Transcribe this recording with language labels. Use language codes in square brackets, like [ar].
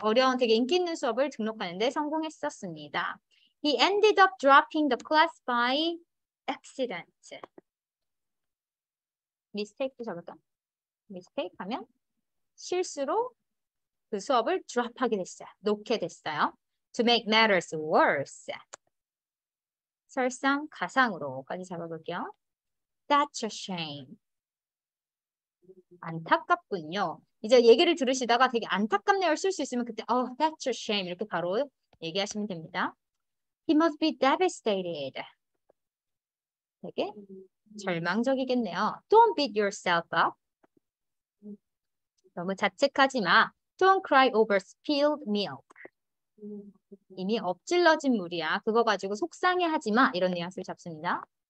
[ko] 어려운 되게 인기 있는 수업을 등록하는데 성공했었습니다. [en] He ended up dropping the class by accident. [ko] 미스테이크 잡을까? 미스테이크 하면 실수로 그 수업을 드랍하게 됐어요. 놓게 됐어요. [en] To make matters worse. [ko] 설상가상으로까지 잡아볼게요. [en] That's a shame. [ko] 안타깝군요. 이제 얘기를 들으시다가 되게 안타깝네요를 쓸수 있으면 그때 [en] Oh, that's a shame [ko] 이렇게 바로 얘기하시면 됩니다. [en] He must be devastated. [ko] 되게 절망적이겠네요. [en] Don't beat yourself up. [ko] 너무 자책하지 마. [en] Don't cry over spilled milk. [ko] 이미 엎질러진 물이야. 그거 가지고 속상해하지 마. 이런 뉘앙스를 잡습니다.